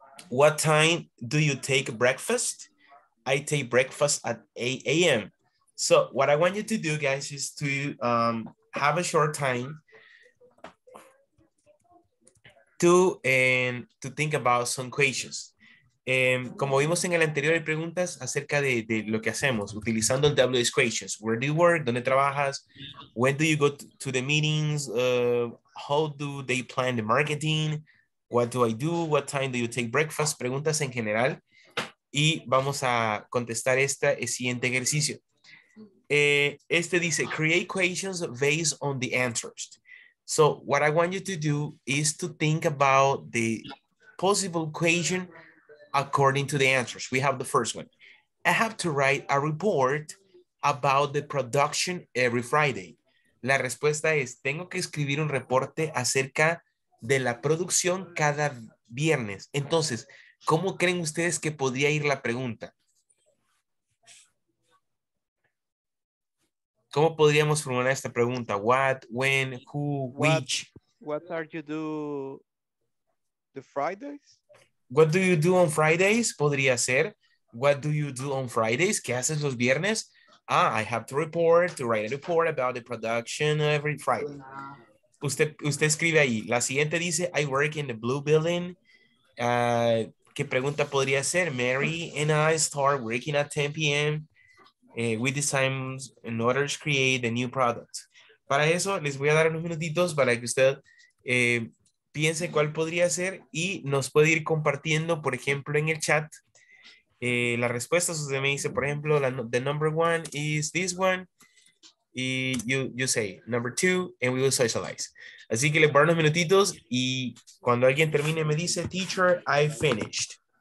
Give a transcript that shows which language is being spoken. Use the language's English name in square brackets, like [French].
[English] What time do you take breakfast? I take breakfast at 8 a.m. So what I want you to do, guys, is to have a short time to think about some questions. [Spanish] Como vimos en el anterior, hay preguntas acerca de lo que hacemos, utilizando el WH questions. [English] Where do you work? [Spanish] ¿Dónde trabajas? [English] When do you go to the meetings? How do they plan the marketing? What do I do? What time do you take breakfast? [Spanish] Preguntas en general. Y vamos a contestar este siguiente ejercicio. Este dice, [English] create questions based on the answers. So what I want you to do is to think about the possible question according to the answers. We have the first one. I have to write a report about the production every Friday. [Spanish] La respuesta es, tengo que escribir un reporte acerca de la producción cada viernes. Entonces, ¿cómo creen ustedes que podría ir la pregunta? ¿Cómo podríamos formular esta pregunta? [English] What, when, who, which? What are you do the Fridays? What do you do on Fridays? [Spanish] Podría ser. [English] What do you do on Fridays? [Spanish] ¿Qué haces los viernes? [English] Ah, I have to report, to write a report about the production every Friday. [Spanish] Usted escribe ahí. La siguiente dice, [English] I work in the blue building. [Spanish] ¿Qué pregunta podría ser? [English] Mary and I start working at 10 p.m. We design in order to create a new product. [Spanish] Para eso, les voy a dar unos minutitos para que usted piense cuál podría ser y nos puede ir compartiendo, por ejemplo, en el chat las respuestas. Usted me dice, por ejemplo, [English] the number one is this one. Y you say number two and we will socialize. [Spanish] Así que le paro unos minutitos y cuando alguien termine me dice, [English] teacher, I finished.